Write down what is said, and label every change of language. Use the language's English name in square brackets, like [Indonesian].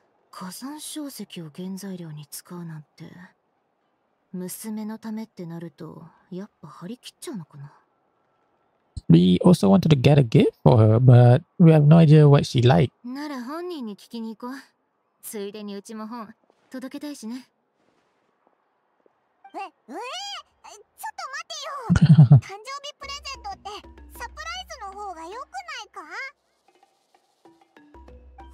[Japanese] 火山小石を原材料に使うなんて、娘のためってなると、やっぱ張り切っちゃうのかな。 [English] We also wanted to get a gift for her, but we have no idea what she liked. [Japanese] なら本人に聞きに行こう。ついでにうちも本届けたいしね。ちょっと待てよ。誕生日プレゼントってサプライズの方が良くないか？